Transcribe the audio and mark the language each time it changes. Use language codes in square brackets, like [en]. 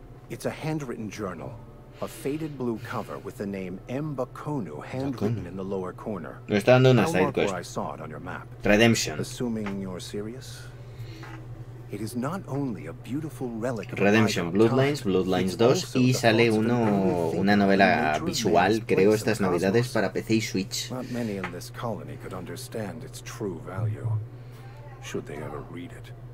[en] It's a handwritten journal, a faded blue cover with the name M. Bakonu handwritten in the lower corner. [es] Me está dando una side quest. Redemption. [en] Assuming you're serious, it is not only a beautiful relic. [es] Redemption, Bloodlines, Bloodlines 2, y sale uno una novela visual, creo, estas navidades para PC y Switch. [en] Not many in this colony could understand its true value, should they ever read it.